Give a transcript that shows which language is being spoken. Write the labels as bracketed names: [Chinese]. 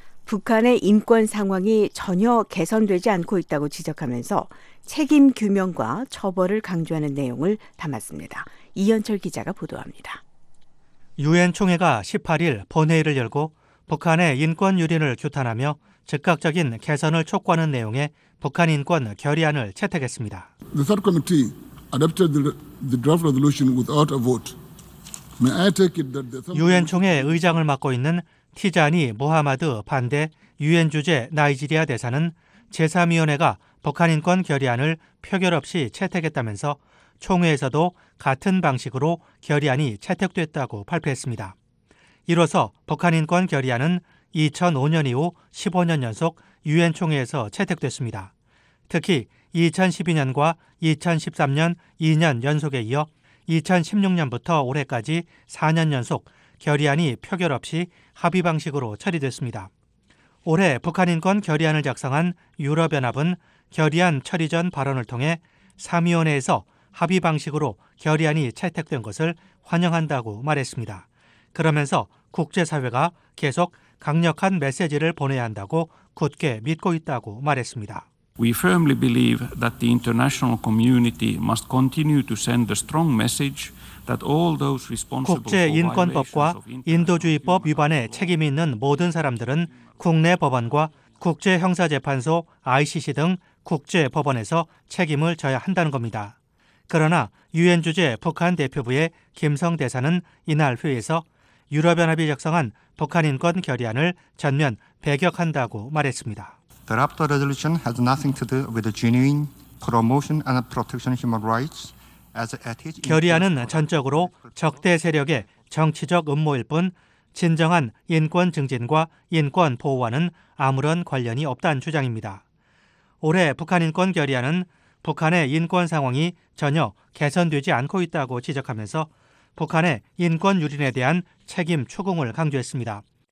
[Korean] 북한의 인권 상황이 전혀 개선되지 않고 있다고 지적하면서 책임 규명과 처벌을 강조하는 내용을 담았습니다. 이현철 기자가 보도합니다. 유엔 총회가 18일 본회의를 열고 북한의 인권 유린을 규탄하며 즉각적인 개선을 촉구하는 내용의 북한 인권 결의안을 채택했습니다. [English] The third committee adopted the draft resolution without a vote. May I take it that the [Korean] 유엔 총회 의장을 맡고 있는 티자니 모하마드 반대 유엔 주재 나이지리아 대사는 제3위원회가 북한 인권 결의안을 표결 없이 채택했다면서 총회에서도 같은 방식으로 결의안이 채택됐다고 발표했습니다. 이로써 북한 인권 결의안은 2005년 이후 15년 연속 유엔 총회에서 채택됐습니다. 특히 2012년과 2013년 2년 연속에 이어 2016년부터 올해까지 4년 연속 결의안이 표결 없이 합의 방식으로 처리됐습니다. 올해 북한 인권 결의안을 작성한 유럽연합은 결의안 처리 전 발언을 통해 3위원회에서 합의 방식으로 결의안이 채택된 것을 환영한다고 말했습니다. 그러면서 국제사회가 계속 강력한 메시지를 보내야 한다고 굳게 믿고 있다고 말했습니다. [English] We firmly believe that the international community must continue to send a strong message that all those responsible [Korean] 국제인권법과 인도주의법 위반에 책임이 있는 모든 사람들은 국내 법원과 국제형사재판소 ICC 등 국제법원에서 책임을 져야 한다는 겁니다. 그러나 유엔 주재 북한 대표부의 김성 대사는 이날 회의에서 유럽연합이 작성한 북한 인권 결의안을 전면 배격한다고 말했습니다. [English] The draft resolution has nothing to do with the genuine promotion and protection of human rights as it is. [Korean] 결의안은 전적으로 적대 세력의 정치적 음모일 뿐 진정한 인권 증진과 인권 보호와는 아무런 관련이 없다는 주장입니다. 올해 북한 인권 결의안은 북한의 인권 상황이 전혀 개선되지 않고 있다고 지적하면서 북한의 인권 유린에 대한 책임 추궁을 강조했습니다.